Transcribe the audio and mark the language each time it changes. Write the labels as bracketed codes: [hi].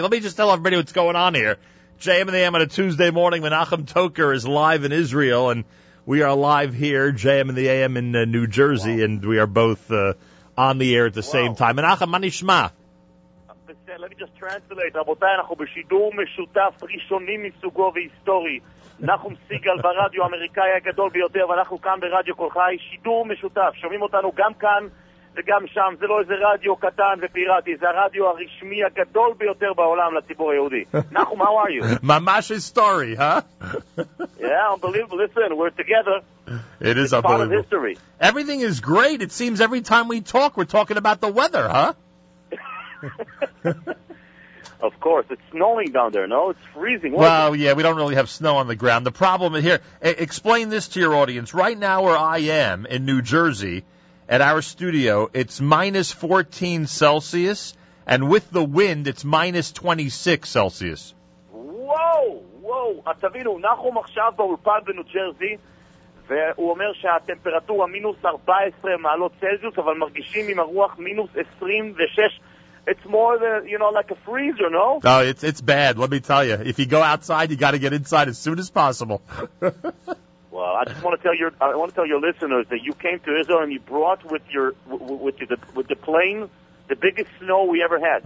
[en] Let me just tell everybody what's going on here. JM and the AM on a Tuesday morning. Menachem Toker is live in Israel, and we are live here, JM and the AM in New Jersey, wow. And we are both on the air at the same time. Menachem, manishma. Beseder, Okay, let me just translate. [he] רבותיי, אנחנו בשידור משותף ראשוני מסוגו והיסטורי. נחום סיגל ברדיו האמריקאי הגדול ביותר, ואנחנו כאן ברדיו כל חי. שידור משותף. שומעים אותנו גם כאן וגם שם. זה לא איזה רדיו קטן ופיראטי. זה הרדיו הרשמי הגדול ביותר בעולם לציבור היהודי. [en] נחום, how are you? [he] ממש היסטורי, huh? [en] Yeah, unbelievable. Listen, we're together. It is unbelievable. Part of history. Everything is great. It seems every time we talk, we're talking about the weather, huh? Of course, it's snowing down there. No, it's freezing. Well, yeah, we don't really have snow on the ground. The problem is here. Explain this to your audience. Right now, where I am in New Jersey, at our studio, it's minus 14 Celsius, and with the wind, it's minus 26 Celsius. Whoa, whoa! [he] Atavino, Nachum עכשיו באולפן בניו ג'רזי, והוא אומר שהטמפרטורה מינוס 14 מעלות צלזיוס, אבל מרגישים עם הרוח מינוס 26. [en] It's more than, you know, like a freezer, no? No, it's bad, let me tell you. If you go outside, you got to get inside as soon as possible. Well, I just want to tell your listeners that you came to Israel and you brought with your with the plane the biggest snow we ever had.